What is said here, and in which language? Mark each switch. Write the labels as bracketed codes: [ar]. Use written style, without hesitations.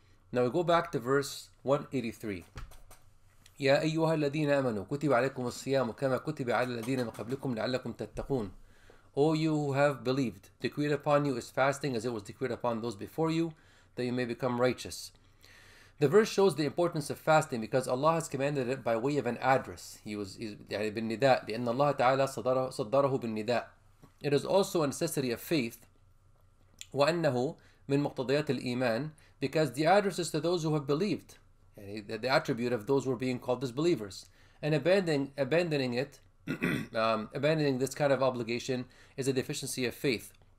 [en] Now we go back to verse 183. [ar] يَا أَيُّهَا الَّذِينَ آمَنُوا كُتِبَ عَلَيْكُمُ الصِّيَامُ كَمَا كُتِبَ عَلَى الَّذِينَ مِنْ قَبْلِكُمْ لَعَلَّكُمْ تَتَّقُونَ. [en] O you who have believed, decreed upon you is fasting as it was decreed upon those before you, that you may become righteous. The verse shows the importance of fasting because Allah has commanded it by way of an address. [ar] He's bin nida, لأن الله تعالى صدره بن نداء. [en] It is also a necessity of faith, [ar] وأنه من مقتضيات الإيمان, [en] because the address is to those who have believed, the attribute of those who are being called as believers. And abandoning this kind of obligation is a deficiency of faith.